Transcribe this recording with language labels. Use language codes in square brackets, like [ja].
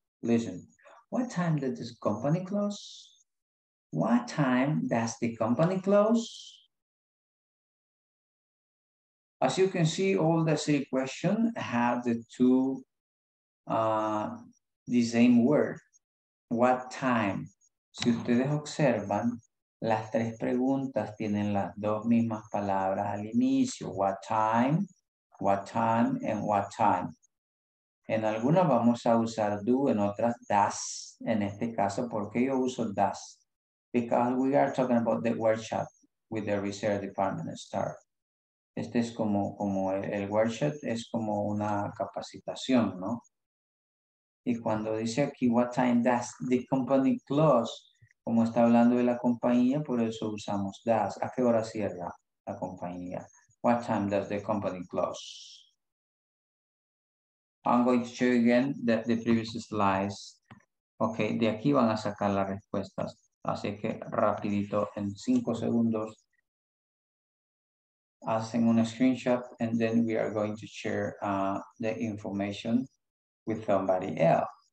[en] Listen, what time does this company close? What time does the company close? As you can see, all the three questions have the two, the same word. What time? [es] Si ustedes observan, las tres preguntas tienen las dos mismas palabras al inicio. [en] What time, and what time. [es] En algunas vamos a usar do, en otras does. En este caso, ¿por qué yo uso does? [en] Because we are talking about the workshop with the research department start. [es] Este es como el workshop, es como una capacitación, ¿no? Y cuando dice aquí, [en] what time does the company close? [es] Como está hablando de la compañía, por eso usamos does. ¿A qué hora cierra? la compañía. [en] What time does the company close? I'm going to show you again the previous slides. [es] Okay, de aquí van a sacar las respuestas. Así que rapidito, en 5 segundos, hacen un screenshot [en] and then we are going to share the information with somebody else.